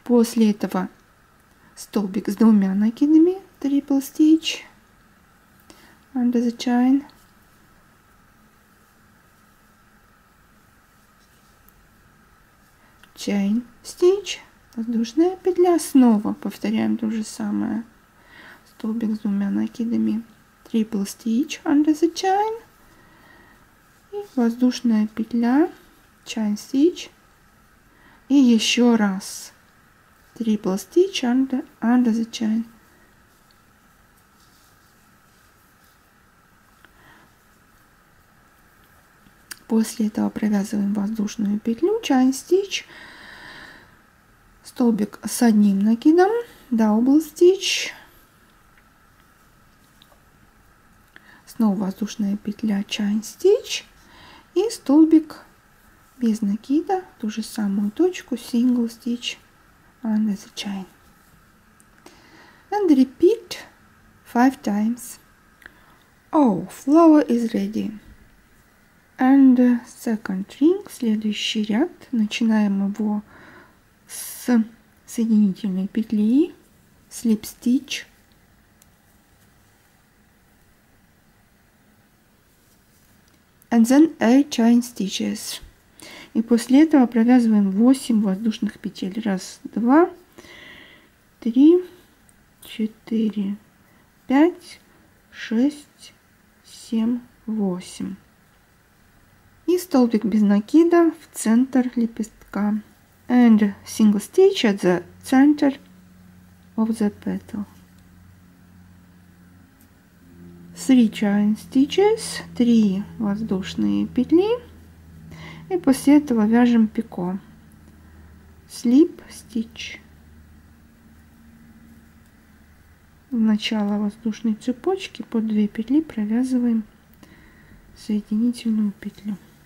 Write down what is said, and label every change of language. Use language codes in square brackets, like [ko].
[ru] После этого столбик с двумя накидами, [en] triple stitch, under the chain. Chain stitch, [ru] воздушная петля, снова повторяем то же самое. Столбик с двумя накидами, [en] triple stitch, under the chain. [ru] И воздушная петля. [en] Chain stitch [ru] и еще раз [en] triple stitch under the chain. [ru] После этого провязываем воздушную петлю [en] chain stitch, [ru] столбик с одним накидом [en] double stitch, [ru] снова воздушная петля chain stitch и столбик без накида ту же самую точку [en] single stitch on the chain. And repeat 5 times. Oh, flower is ready. And second ring, [ru] следующий ряд. Начинаем его с соединительной петли, [en] slip stitch. And then 8 chain stitches. [ru] И после этого провязываем 8 воздушных петель. Раз, два, три, четыре, пять, шесть, семь, восемь. И столбик без накида в центр лепестка. [en] And single stitch at the center of the petal. 3 chain stitches, [ru] 3 воздушные петли, и после этого вяжем пико, [en] slip stitch [ru] в начало воздушной цепочки, по 2 петли провязываем соединительную петлю,